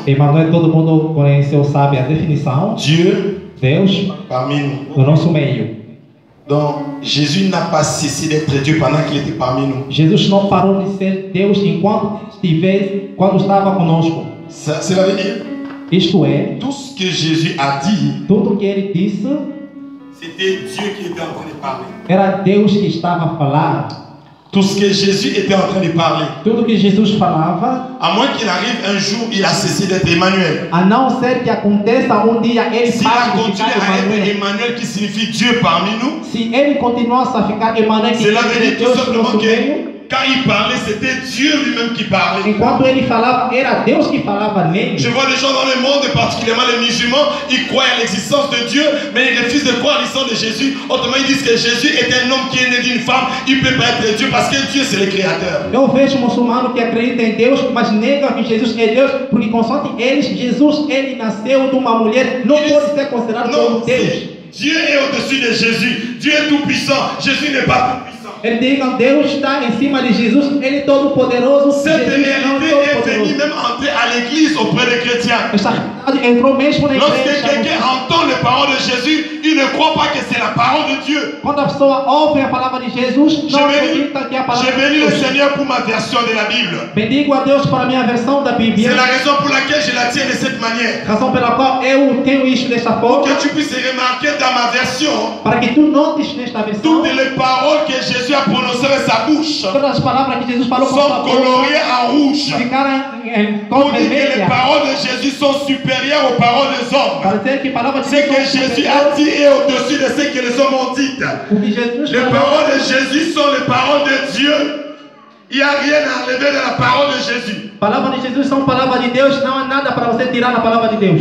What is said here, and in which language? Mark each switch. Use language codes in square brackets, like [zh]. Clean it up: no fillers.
[pt] Emmanuel, todo mundo conhece ou sabe a definição. [fr] Dieu [pt] Deus [fr] parmi nous. [pt] No nosso meio. [fr] Donc Jésus n'a pas cessé d'être Dieu pendant qu'il était parmi nous. [pt] Jesus não parou de ser Deus enquanto estivesse quando estava conosco. [fr] Cela veut dire? [pt] Isto é. [fr] Tout ce que Jésus a dit. [pt] Tudo que ele disse. [fr] C'était Dieu qui était en train de parler. [pt] Era Deus que estava a falar. [fr] Tout ce que Jésus était en train de parler. [pt] Tudo que Jesus falava. [fr] À moins qu'il arrive un jour, il a cessé d'être Emmanuel. [pt] A não ser que aconteça dia ele [fr] si passe il continue à être Emmanuel, qui signifie Dieu parmi nous. [pt] Si ele continuasse a ficar Emmanuel, [fr] que cela veut dire tout simplement que quand il parlait, c'était Dieu lui-même qui parlait. [pt] Enquanto ele falava, era Deus que falava nele. [fr] Je vois des gens dans le monde, et particulièrement les musulmans, ils croient à l'existence de Dieu, mais ils refusent de croire à l'existence de Jésus. Autrement, ils disent que Jésus est un homme qui est né d'une femme, il ne peut pas être Dieu parce que Dieu, c'est le Créateur. [pt] Eu vejo muçulmanos que acreditam em Deus, mas negam que Jesus é Deus, porque consoante eles, Jesus, ele nasceu de uma mulher, não ele... pode ser considerado não, como Deus. Sim. [fr] Dieu est au-dessus de Jésus. Dieu est tout-puissant. Jésus n'est pas tout-puissant. [pt] Ele diz que Deus está em cima de Jesus. Ele é todo-poderoso. [fr] Cette réalité est venue même entrer à l'église auprès des chrétiens. Lorsque quelqu'un entend les paroles de Jésus, il ne croit pas que c'est la parole de Dieu. [pt] Quando a pessoa ouve a palavra de Jesus, não acredita que é a palavra de Deus. [fr] Je bénis le Seigneur pour ma version de la Bible. [pt] Bendigo a Deus para minha versão da Bíblia. [fr] C'est la raison pour laquelle je la tiens de cette manière. [pt] Razão pela qual eu tenho isso dessa forma. [fr] Pour que tu puisses remarquer dans ma version. [pt] Para que tu notes nesta versão. [fr] Toutes les paroles que Jésus a prononcées avec sa bouche. [pt] Todas as palavras que Jesus falou com a sua boca. [fr] Sont colorées en rouge. [pt] Ficaram [fr] pour dire que les paroles de Jésus sont supérieures aux paroles des hommes. Ce que Jésus a dit est au-dessus de ce que les hommes ont dit. Les paroles de Jésus sont les paroles de Dieu. Il n'y a rien à enlever de la parole de Jésus. [pt] Palavras de Jesus são palavras de Deus. Não há nada para você tirar da palavra de Deus.